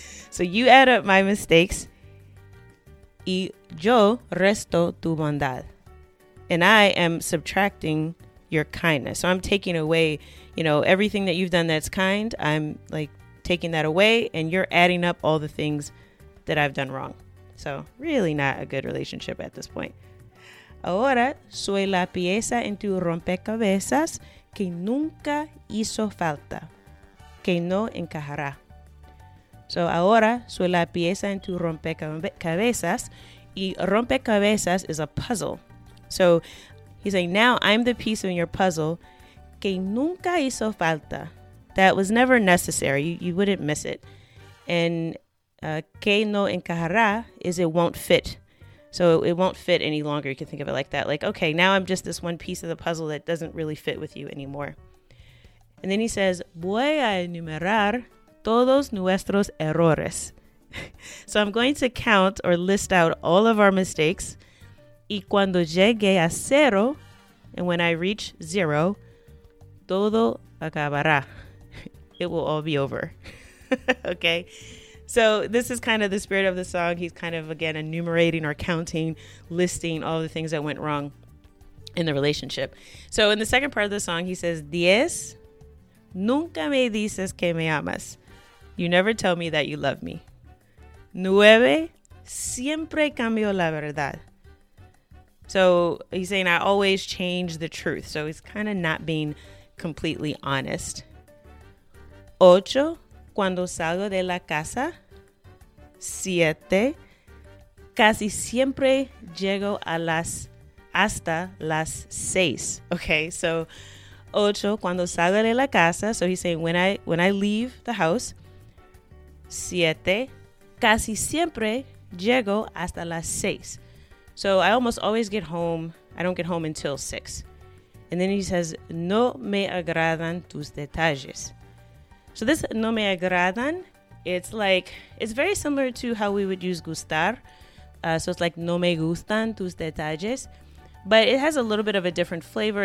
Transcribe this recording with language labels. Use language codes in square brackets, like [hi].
[en] So you add up my mistakes. [es] Y yo resto tu bondad. [en] And I am subtracting your kindness. So I'm taking away, you know, everything that you've done that's kind. I'm like taking that away, and you're adding up all the things that I've done wrong. So really not a good relationship at this point. [es] Ahora soy la pieza en tu rompecabezas. Que nunca hizo falta, que no encajará. So ahora soy la pieza en tu rompecabezas, y rompecabezas [en] is a puzzle. So he's saying, now I'm the piece in your puzzle, [es] que nunca hizo falta, [en] that was never necessary, you wouldn't miss it. And [es] que no encajará [en] is it won't fit. So it won't fit any longer. You can think of it like that. Like, okay, now I'm just this one piece of the puzzle that doesn't really fit with you anymore. And then he says, [es] voy a enumerar todos nuestros errores. [en] So I'm going to count or list out all of our mistakes. [es] Y cuando llegue a cero, [en] and when I reach zero, [es] todo acabará. [en] It will all be over. Okay. So this is kind of the spirit of the song. He's kind of, again, enumerating or counting, listing all the things that went wrong in the relationship. So in the second part of the song, he says, [es] Diez, nunca me dices que me amas. [en] You never tell me that you love me. [es] Nueve, siempre cambio la verdad. [en] So he's saying, I always change the truth. So he's kind of not being completely honest. [es] Ocho, cuando salgo de la casa. Siete, casi siempre llego hasta las seis. Okay, so ocho, cuando salgo de la casa. [en] So he's saying, when I leave the house. [es] Siete, casi siempre llego hasta las seis. [en] So I almost always get home. I don't get home until six. And then he says, [es] no me agradan tus detalles. [en] So this [es] no me agradan, [en] it's like, it's very similar to how we would use gustar. So it's like [es] no me gustan tus detalles, [en] but it has a little bit of a different flavor.